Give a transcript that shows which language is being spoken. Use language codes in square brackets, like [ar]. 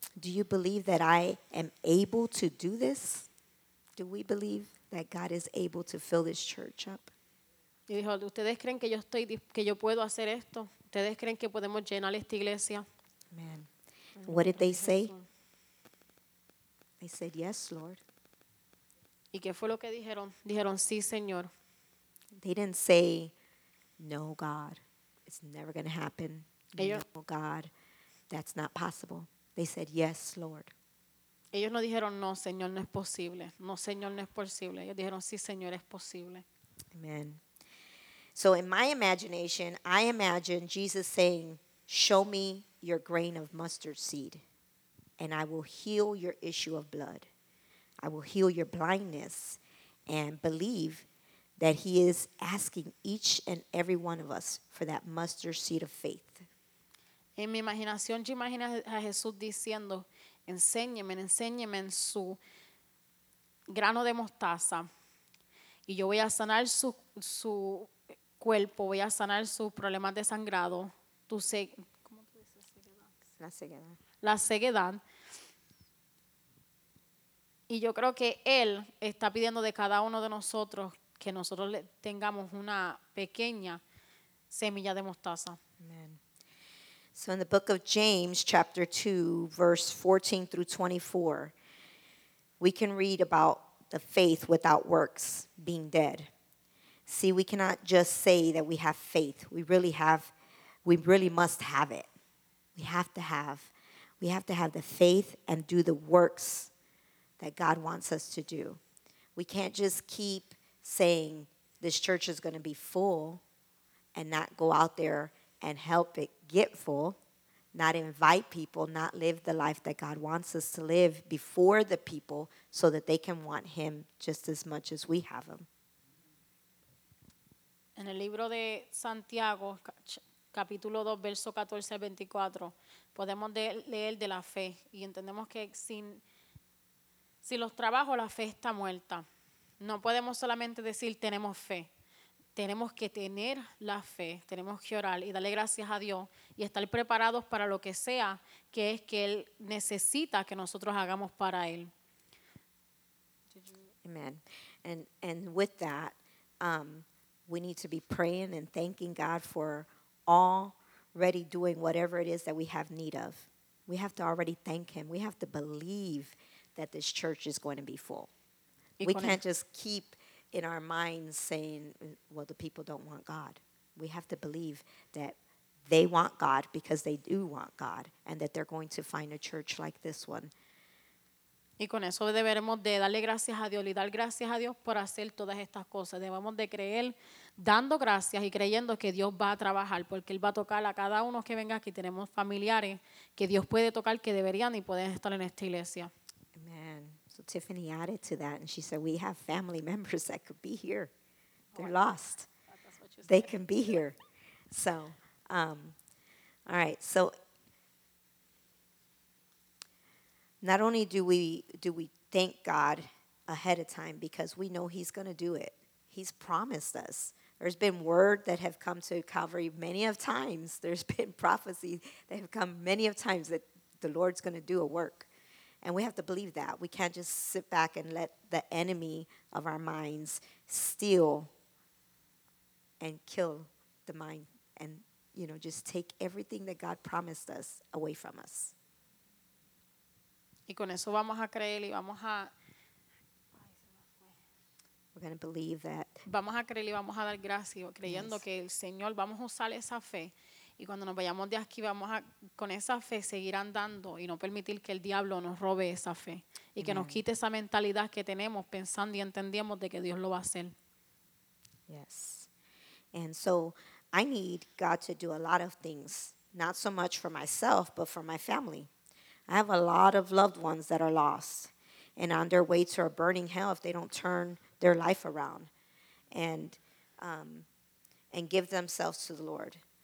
[en] Do you believe that I am able to do this? Do we believe that God is able to fill this church up? [es] Y dijo, ¿ustedes creen que yo puedo hacer esto? ¿Ustedes creen que podemos llenar esta iglesia? [en] Amen. What did they say? They said, yes, Lord. [es] ¿Y qué fue lo que dijeron? Dijeron, sí, Señor. [en] They didn't say, no, God, it's never going to happen. No, God, that's not possible. They said, yes, Lord. [es] Ellos no dijeron, no, Señor, no es posible. No, Señor, no es posible. Ellos dijeron, sí, Señor, es posible. [en] Amen. So in my imagination, I imagine Jesus saying, show me your grain of mustard seed. and I will heal your issue of blood. I will heal your blindness and believe that he is asking each and every one of us for that mustard seed of faith. [es] En mi imaginación, yo imagino a Jesús diciendo, enséñeme, enséñeme en su grano de mostaza. Y yo voy a sanar su cuerpo, voy a sanar sus problemas de sangrado. La ceguedad. Y yo creo que Él está pidiendo de cada uno de nosotros que nosotros tengamos una pequeña semilla de mostaza. Amen. [en] So in the book of James, chapter 2, verse 14 through 24, we can read about the faith without works being dead. See, we cannot just say that we have faith. We really must have it. We have to have the faith and do the works that God wants us to do. We can't just keep saying this church is going to be full and not go out there and help it get full, not invite people, not live the life that God wants us to live before the people so that they can want him just as much as we have him. [es] En el libro de Santiago, capítulo 2, verso 14 al 24, podemos leer de la fe y entendemos que sin los trabajos la fe está muerta. No podemos solamente decir tenemos fe. Tenemos que tener la fe, tenemos que orar y darle gracias a Dios y estar preparados para lo que sea que es que Él necesita que nosotros hagamos para Él. Amen. [en] And with that, we need to be praying and thanking God for already doing whatever it is that we have need of. We have to already thank Him. We have to believe that this church is going to be full. We can't just keep in our minds saying, well, the people don't want God. We have to believe that they want God because they do want God and that they're going to find a church like this one. [es] Y con eso deberemos de darle gracias a Dios y dar gracias a Dios por hacer todas estas cosas. Debemos de creer dando gracias y creyendo que Dios va a trabajar porque Él va a tocar a cada uno que venga aquí. Tenemos familiares que Dios puede tocar, que deberían y pueden estar en esta iglesia. [en] Amen. So Tiffany added to that, and she said, we have family members that could be here. They're lost. They can be here. So, all right. So not only do we thank God ahead of time because we know he's going to do it. He's promised us. There's been word that have come to Calvary many of times. There's been prophecy that have come many of times that the Lord's going to do a work. And we have to believe that. We can't just sit back and let the enemy of our minds steal and kill the mind and, you know, just take everything that God promised us away from us. [es] Y con eso vamos a creer y vamos a... [en] We're going to believe that. [es] Vamos a creer y vamos a dar gracias creyendo que el Señor, vamos a usar esa fe. Y cuando nos vayamos de aquí, vamos a, con esa fe, seguir andando y no permitir que el diablo nos robe esa fe y que nos quite esa mentalidad que tenemos pensando y entendiendo de que Dios lo va a hacer. [en] Yes. And so I need God to do a lot of things, not so much for myself, but for my family. I have a lot of loved ones that are lost and on their way to a burning hell if they don't turn their life around and give themselves to the Lord.